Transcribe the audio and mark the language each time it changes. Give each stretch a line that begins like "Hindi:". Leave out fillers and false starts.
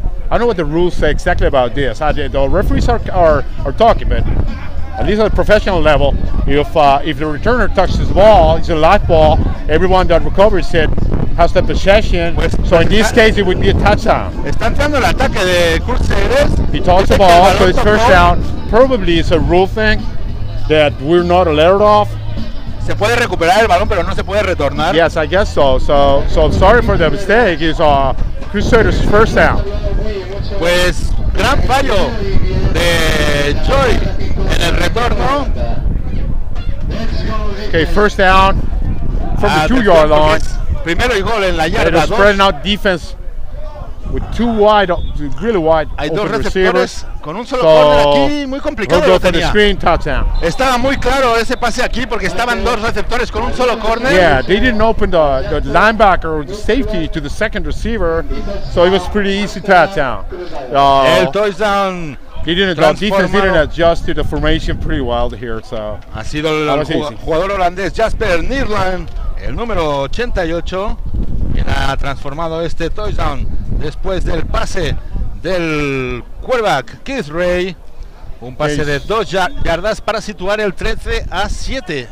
English: I don't know what the rules say exactly about this. The referees are talking, but at least at a professional level, if the returner touches the ball, it's a live ball, everyone that recovers it has the possession. Pues, so in this case, it would be a touchdown.
Spanish: Está entrando el ataque de Crusaders.
English: He touches the ball, so it's first down. Probably it's a rule thing that we're not aware of.
Spanish: Se puede recuperar el balón, pero no se puede retornar.
English: Yes, I guess so. So sorry for the mistake. It's Crusaders' first down.
Spanish: Pues gran fallo de Joy en el retorno.
English: Okay, first down from the 2 yard line.
Spanish: Primero y gol en la yarda 2.
English: Spreading out defense with two wide, really wide.
Spanish: Hay dos receptores con un solo corner aquí, muy complicado lo tenía.
English: Screen, touchdown.
Spanish: Estaba muy claro ese pase aquí porque estaban dos receptores con un solo corner.
English: Yeah, they didn't open the linebacker or the safety to the second receiver, so it was pretty easy touchdown.
Spanish: El touchdown.
English: Defense didn't adjust to the formation pretty well here, so.
Spanish: Ha sido el jugador holandés Jasper Nierland, el número 88, quien ha transformado este touchdown después del pase del quarterback Keith Ray, un pase de 2 yardas para situar el 13-7.